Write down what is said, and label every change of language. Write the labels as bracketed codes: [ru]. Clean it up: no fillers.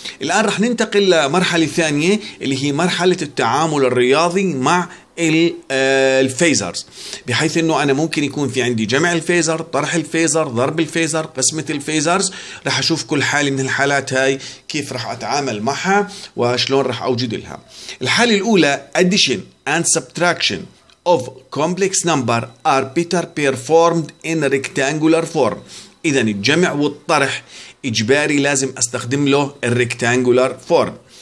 [ar] الآن رح ننتقل لمرحلة ثانية اللي هي مرحلة التعامل الرياضي مع الفيزرز، بحيث انه انا ممكن يكون في عندي جمع الفيزر، طرح الفيزر، ضرب الفيزر، قسمة الفيزرز. رح اشوف كل حالة من الحالات هاي كيف رح اتعامل معها وشلون رح اوجد لها. الحالة الاولى [en] addition and subtraction of complex number are better performed in rectangular form. [ar] اذا الجمع والطرح اجباري لازم استخدم له الريكتانجولار فورم.